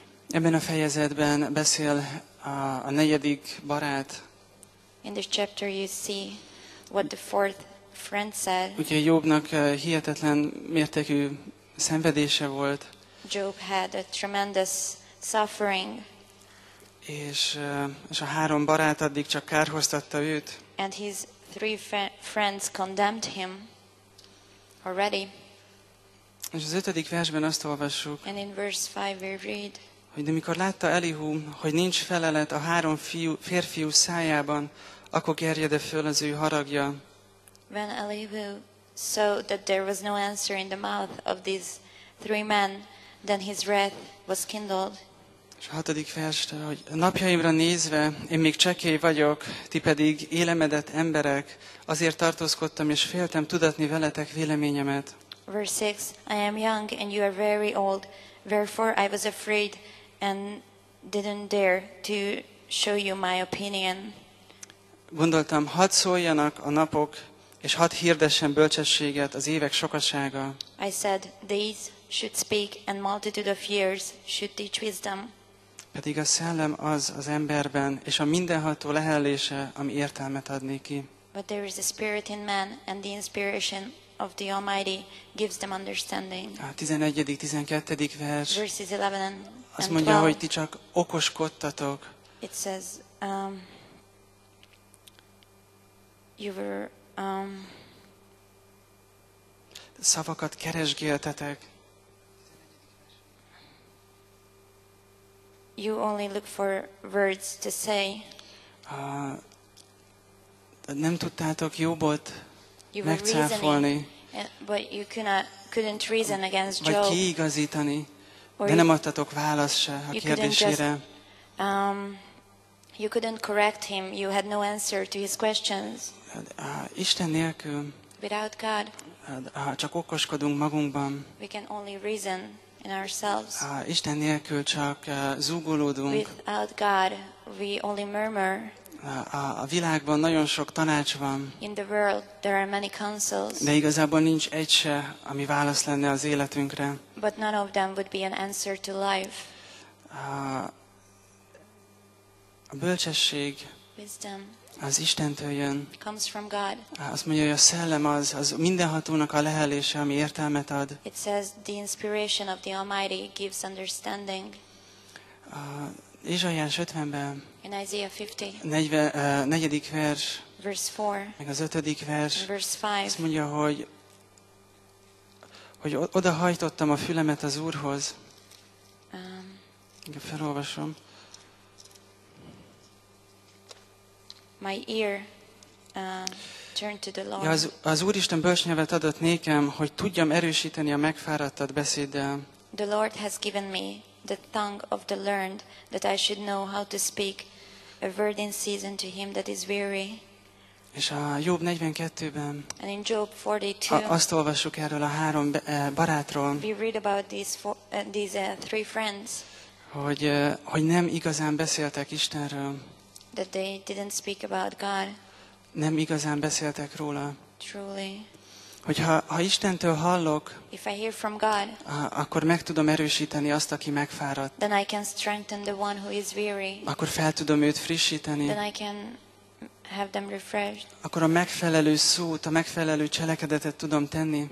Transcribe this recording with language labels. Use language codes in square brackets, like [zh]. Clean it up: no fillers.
[hu] Ebben a fejezetben beszél a negyedik barát. [en] In this chapter you see what the fourth friend said. [hu] Ugye Jobnak hihetetlen mértékű szenvedése volt. [en] Job had a tremendous suffering. [hu] És a három barát addig csak kárhoztatta őt. [en] And his three friends condemned him. Already. [hu] És az ötödik versben azt olvassuk, [en] and in verse 5 we read, [hu] hogy de mikor látta Elihu, hogy nincs felelet a három férfiú szájában, akkor gerjede föl az ő haragja. [en] When Elihu saw that there was no answer in the mouth of these three men, then his wrath was kindled. [hu] És a hatodik vers, hogy napjaimra nézve, én még csekély vagyok, ti pedig élemedett emberek, azért tartózkodtam és féltem tudatni veletek véleményemet. [en] Verse 6, I am young and you are very old, therefore I was afraid and didn't dare to show you my opinion. [hu] Gondoltam, hadd szóljanak a napok, és hadd hirdessen bölcsességet az évek sokasága. [en] I said, days should speak and multitude of years should teach wisdom. [hu] Pedig a szellem az emberben, és a mindenható lehellése, ami értelmet ad neki. [en] But there is a spirit in man, and the inspiration of the Almighty gives them understanding. [hu] A 11. 12. vers. [en] Verses 11 and 12. [hu] Azt mondja, hogy ti csak okoskodtatok. [en] It says, you were, [hu] szavakat keresgéltetek. [en] You only look for words to say. [hu] Nem tudtátok Jobot megcáfolni. [en] But you couldn't reason against Job. [hu] Vagy kiigazítani, De nem adtatok választ se a kérdésére. [en] You couldn't correct him. You had no answer to his questions. [hu] Isten nélkül. [en] Without God. [hu] Csak okoskodunk magunkban. [en] We can only reason in ourselves. [hu] Isten nélkül csak zúgolódunk. [en] Without God, we only murmur. [hu] A világban nagyon sok tanács van. [en] In the world, there are many counsels. [hu] De igazából nincs egy se, ami válasz lenne az életünkre. [en] But none of them would be an answer to life. [hu] A bölcsesség [en] wisdom [hu] az Istentől jön. [en] Comes from God. [hu] Azt mondja, hogy a szellem az mindenhatónak a lehelése, ami értelmet ad. [en] It says the inspiration of the Almighty gives understanding. [hu] Izsaiás 50-ben. [en] In Isaiah 50. [hu] 4. vers. [en] Verse 4. [hu] Meg az 5. vers. [en] Verse 5. [hu] Azt mondja, hogy oda hajtottam a fülemet az Úrhoz. Igen, felolvasom. [en] My ear turned to the Lord. [hu] Az Úristen bölcsnyelvet adott nékem, hogy tudjam erősíteni a megfáradtat beszéddel. [en] The Lord has given me the tongue of the learned, that I should know how to speak a word in season to him that is weary. [hu] És a Jób 42-ben. [en] And in Job 42. [hu] Azt olvassuk erről a három barátról. [en] We read about these three friends. [hu] Hogy nem igazán beszéltek Istenről. [en] That they didn't speak about God. [hu] Nem igazán beszéltek róla. [en] Truly. [hu] Hogyha Istentől hallok, [en] if I hear from God, [hu] akkor meg tudom erősíteni azt, aki megfáradt. [en] Then I can strengthen the one who is weary. [hu] Akkor fel tudom őt frissíteni. [en] Then I can have them refreshed. [hu] Akkor a megfelelő szót, a megfelelő cselekedetet tudom tenni.